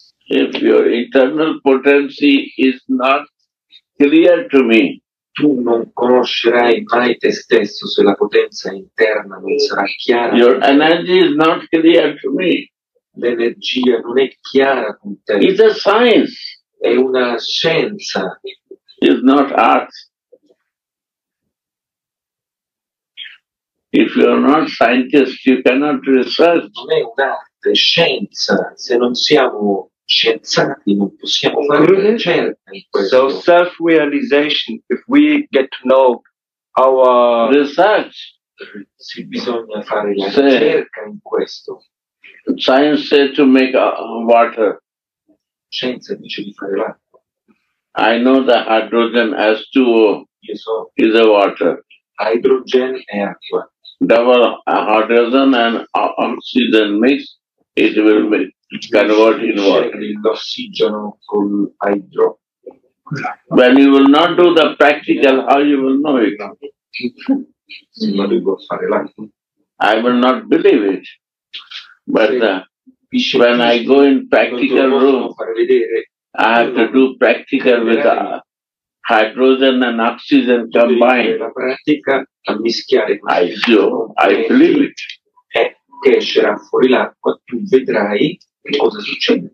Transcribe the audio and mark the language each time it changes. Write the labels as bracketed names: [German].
[English] If your internal potency is not clear to me, [Italian] tu non conoscerai mai te stesso se la potenza interna non sarà chiara. [English] Your energy is not clear to me. [Italian] L'energia non è chiara con te. [English] It's a science. [Italian] È una scienza. [English] It's not art. If you are not scientist, you cannot research. [Italian] Non è un'arte, scienza. Se non siamo scienziati, non possiamo fare ricerca. [English] So self-realization, if we get to know our research, [Italian] si bisogna fare la ricerca in questo. [English] Science said to make water. [Italian] Scienza dice di fare l'acqua. [English] I know that hydrogen has H2O. [Italian] Io so. [English] Is a water. [Italian] Hydrogen è acqua. [English] Double hydrogen and oxygen mix, it will be converted in water. [Italian] L'ossigeno con idro. [English] When you will not do the practical, how you will know it? I will not believe it. But when I go in practical room, I have to do practical with hydrogen and oxygen combined. [Italian] La pratica a mischiare. [English] I believe it. [Italian] E che escerà fuori l'acqua, tu vedrai che cosa succede.